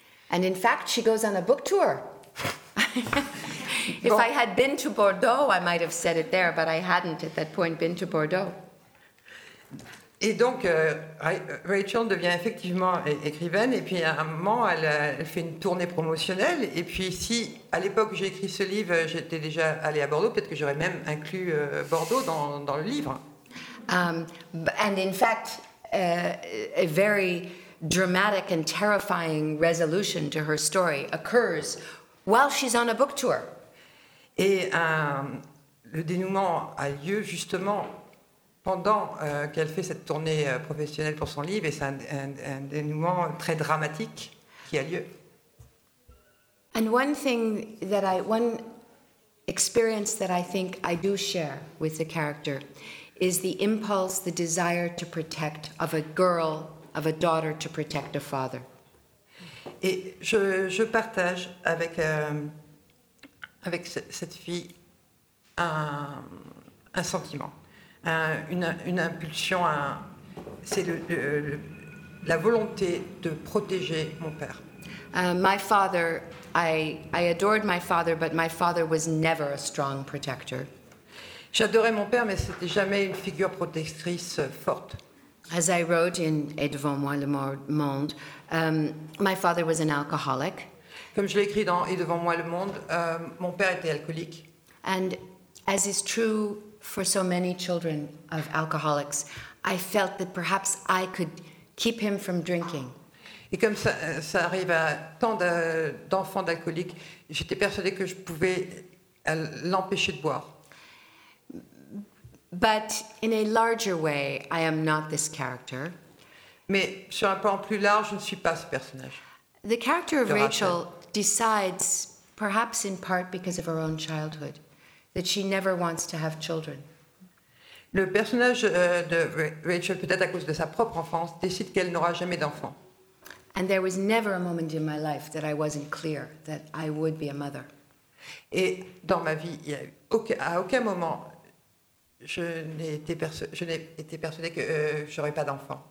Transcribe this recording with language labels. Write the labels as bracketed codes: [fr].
[en] And in fact, she goes on a book tour. If I had been to Bordeaux, I might have said it there, but I hadn't at that point been to Bordeaux. [fr] Et donc, Rachel devient effectivement écrivaine, et puis à un moment, elle fait une tournée promotionnelle, et puis si, à l'époque où j'ai écrit ce livre, j'étais déjà allée à Bordeaux, peut-être que j'aurais même inclus Bordeaux dans le livre. [en] And in fact, a very dramatic and terrifying resolution to her story occurs while she's on a book tour. [fr] Et le dénouement a lieu justement pendant qu'elle fait cette tournée professionnelle pour son livre, et c'est un dénouement très dramatique qui a lieu. [en] And one experience that I think I do share with the character is the impulse, the desire to protect of a girl, of a daughter to protect a father. [fr] Et je partage avec avec cette fille un sentiment, une impulsion, c'est la volonté de protéger mon père. [en] My father, I adored my father, but my father was never a strong protector. [fr] J'adorais mon père, mais c'était jamais une figure protectrice forte. [en] As I wrote in Et devant moi le monde, my father was an alcoholic. [fr] Comme je l'ai écrit dans Et devant moi le monde, mon père était alcoolique. [en] And as is true for so many children of alcoholics, I felt that perhaps I could keep him from drinking. [fr] Et comme ça arrive à tant d'enfants d'alcooliques, j'étais persuadée que je pouvais l'empêcher de boire. [en] But in a larger way, I am not this character. [fr] Mais sur un plan plus large, je ne suis pas ce personnage. [en] The character of Rachel decides, perhaps in part because of her own childhood, that she never wants to have children. [fr] Le personnage de Rachel, peut-être à cause de sa propre enfance, décide qu'elle n'aura jamais d'enfant. [en] And there was never a moment in my life that I wasn't clear that I would be a mother. [fr] Et dans ma vie, il y a eu aucun moment je n'ai été persuadée que j'aurais pas d'enfants.